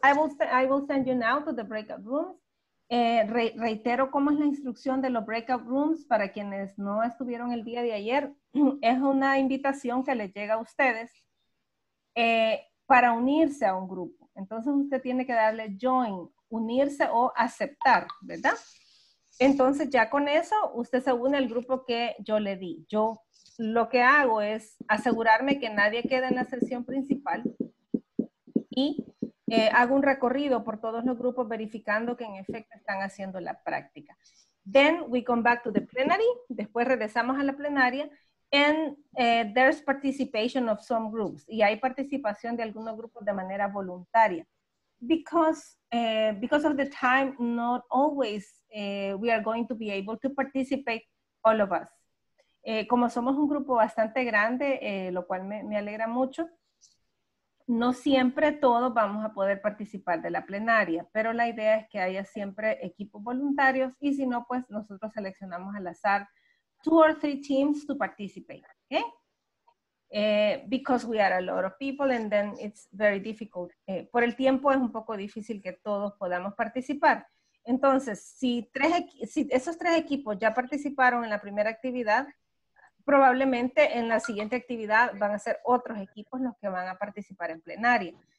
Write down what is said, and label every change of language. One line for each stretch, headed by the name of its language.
English: I will send you now to the breakout rooms.
Spanish: Reitero cómo es la instrucción de los breakout rooms para quienes no estuvieron el día de ayer. Es una invitación que les llega a ustedes para unirse a un grupo. Entonces usted tiene que darle join, unirse o aceptar, ¿verdad? Entonces ya con eso, usted se une al grupo que yo le di. Yo lo que hago es asegurarme que nadie quede en la sesión principal y hago un recorrido por todos los grupos verificando que en efecto están haciendo la práctica.
English: Then we come back to the plenary,
Spanish: después regresamos a la plenaria,
English: and there's participation of some groups.
Spanish: Y hay participación de algunos grupos de manera voluntaria.
English: Because of the time, not always we are going to be able to participate, all of us.
Spanish: Como somos un grupo bastante grande, lo cual me alegra mucho, no siempre todos vamos a poder participar de la plenaria, pero la idea es que haya siempre equipos voluntarios y si no, pues nosotros seleccionamos al azar
English: 2 or 3 teams to participate,
Spanish: ¿ok?
English: Because we are a lot of people and then it's very difficult.
Spanish: Por el tiempo es un poco difícil que todos podamos participar. Entonces, si esos tres equipos ya participaron en la primera actividad, probablemente en la siguiente actividad van a ser otros equipos los que van a participar en plenaria.